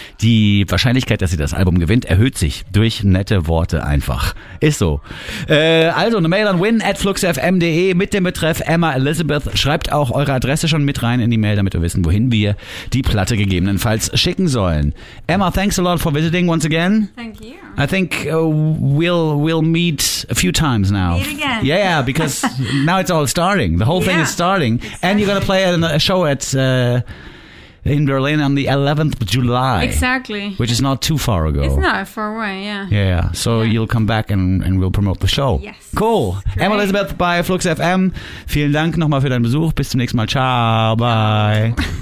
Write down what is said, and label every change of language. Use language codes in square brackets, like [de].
[de] Die Wahrscheinlichkeit, dass ihr das Album gewinnt, erhöht sich durch nette Worte einfach. Ist so. Also eine Mail an win@fluxfm.de mit dem Betreff Emma Elizabeth. Schreibt auch eure Adresse schon mit rein in die Mail, damit wir wissen, wohin wir die Platte gegebenenfalls schicken sollen. [en] Emma, thanks a lot for visiting once again. Thank you. I think we'll meet a few times now. Meet again. Yeah, because now it's all starting. The whole thing is starting. Exactly. And you're going to play a show at in Berlin on the 11th of July. Exactly. Which is not too far ago. It's not far away, yeah. Yeah, so you'll come back and we'll promote the show. Yes. Cool. [de] Emma Elizabeth bei Flux FM. Vielen Dank nochmal für deinen Besuch. Bis zum nächsten Mal. Ciao. Bye.